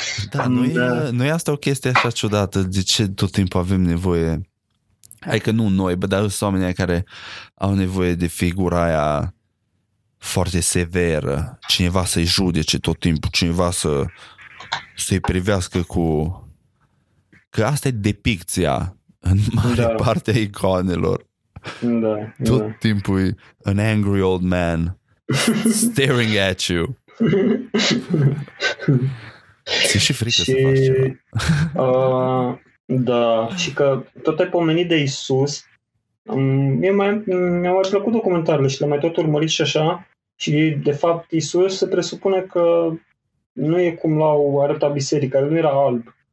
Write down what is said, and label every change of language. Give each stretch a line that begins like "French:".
Romanian: Da, nu e asta o chestie așa ciudată, de ce tot timpul avem nevoie, adică nu noi, dar sunt oamenii care au nevoie de figura aia foarte severă, cineva să-i judece tot timpul, cineva să-i privească cu... Că asta e depicția în mare parte a iconelor. Da. Tot timpul e
English: an angry old man staring at you.
Romanian: Ți-e și frică să faci ceva. Da, și că tot ai pomenit de Isus, mi-au mai plăcut documentarele și le-am mai tot urmărit și așa. Și, de fapt, Isus se presupune că nu e cum l-au arătat biserica, el nu era alb.